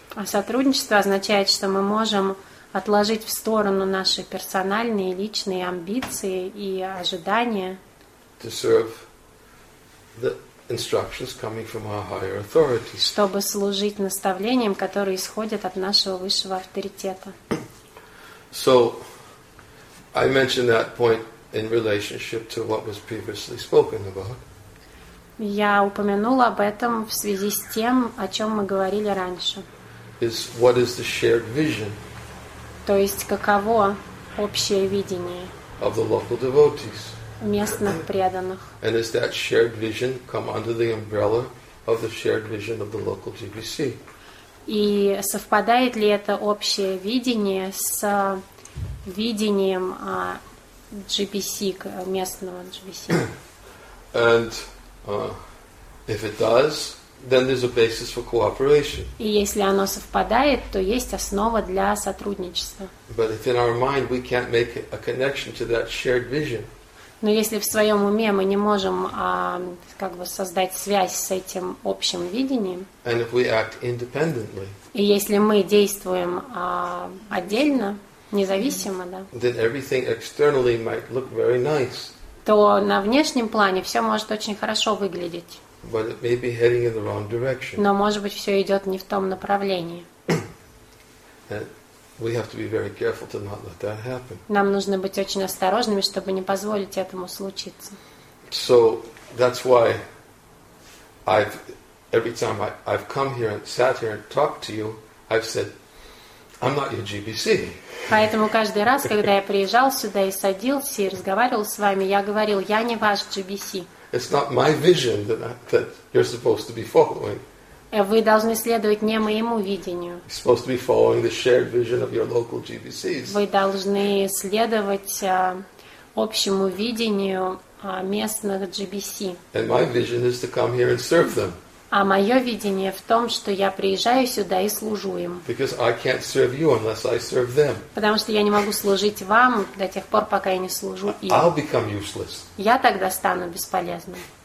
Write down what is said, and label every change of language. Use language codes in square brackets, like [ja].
[ru] А сотрудничество означает, что мы можем отложить в сторону наши персональные личные амбиции и ожидания. [en] To serve the instructions coming from our higher authorities. [ru] Чтобы служить наставлениям, которые исходят от нашего высшего авторитета. [en] So, I mentioned that point in relationship to what was previously spoken about. [ru] Я упомянула об этом в связи с тем, о чём мы говорили раньше. [en] Is what is the shared vision? [ru] То есть каково общее видение? [en] Of the local devotees. [ru] Местных преданных. [en] And is that shared vision come under the umbrella of the shared vision of the local GBC? [ru] И совпадает ли это общее видение с видением GBC, местного GBC. [en] And if it does, then there's a basis for cooperation. [ru] И если оно совпадает, то есть основа для сотрудничества. [en] But if in our mind we can't make a connection to that shared vision. [ru] Но если в своем уме мы не можем создать связь с этим общим видением. [en] And if we act independently. [ru] И если мы действуем отдельно. независимо, да. [en] Then everything externally might look very nice. [ru] То на внешнем плане все может очень хорошо выглядеть. [en] But it may be heading in the wrong direction. [ru] Но может быть все идет не в том направлении. [en] We have to be very careful to not let that happen. [ru] Нам нужно быть очень осторожными, чтобы не позволить этому случиться. [en] So that's why every time I've come here and sat here and talked to you, I've said, I'm not your GBC. [ru] Поэтому каждый раз, когда я приезжал сюда и садился и разговаривал с вами, я говорил, я не ваш GBC. [en] It's not my vision that you're supposed to be following. [ru] Вы должны следовать не моему видению. [en] You're supposed to be following the shared vision of your local GBCs. [ru] Вы должны следовать общему видению местных GBC. [en] And my vision is to come here and serve them. [ru] А мое видение в том, что я приезжаю сюда и служу им. [en] Because I can't serve you unless I serve them. [ru] Потому что я не могу служить вам до тех пор, пока я не служу им. [en] I'll become useless. [ru] Я тогда стану бесполезным.